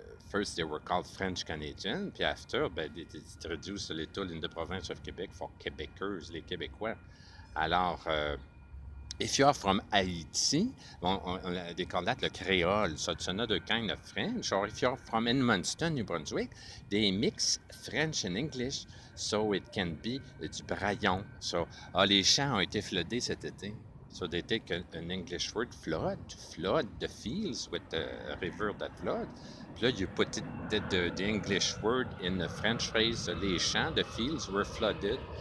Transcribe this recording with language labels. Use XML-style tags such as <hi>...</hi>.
<en>First, they were called French Canadian,</en> <fr>puis</fr> <en>after, ben, they traduce a little in the province of Quebec for Québécois, les Québécois. Alors, if you are from Haïti, they call that le créole, so it's another kind of French. Or if you are from Edmonton, New Brunswick, they mix French and English, so it can be du braillon.</en> <fr>So, ah, les champs ont été flottés cet été.</fr> <en>So they take an English word, flood the fields with a river that floods.</en> <fr>Puis là,</fr> <en>you put it, the English word in the French phrase,</en> <fr>les champs,</fr> <en>the fields were flooded.</en>